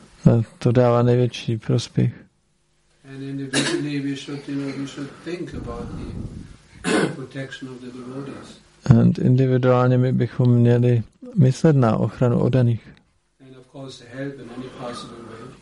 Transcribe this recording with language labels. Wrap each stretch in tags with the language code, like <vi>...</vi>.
<cs>A to dává největší prospěch.</cs> <en>And in the beginning we should think about the protection of the devotees.</en> <cs>And individuálně my bychom měli myslet na ochranu oddaných.</cs> <en>And of course help in any possible way.</en>